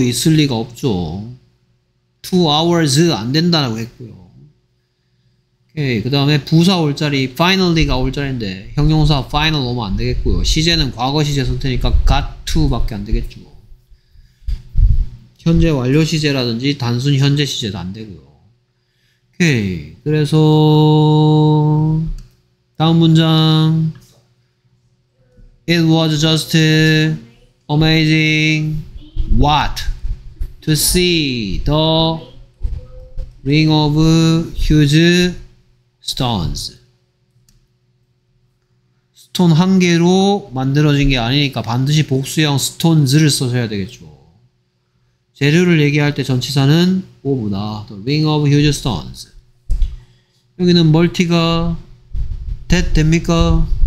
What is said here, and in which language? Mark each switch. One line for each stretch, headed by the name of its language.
Korean: 있을 리가 없죠. 2 hours 안 된다고 했고요. 그 다음에 부사 올 자리 finally가 올 자리인데 형용사 final 오면 안 되겠고요. 시제는 과거 시제 선택이니까 got to 밖에 안 되겠죠. 현재 완료 시제라든지 단순 현재 시제도 안 되고요. 오케이. 그래서 다음 문장
English: It was just amazing what to see the ring of huge stones.
Korean: 스톤 한 개로 만들어진 게 아니니까 반드시 복수형 stones를 써셔야 되겠죠. 재료를 얘기할 때 전치사는 of다.
English: The ring of huge stones.
Korean: 여기는 멀티가 됩니까?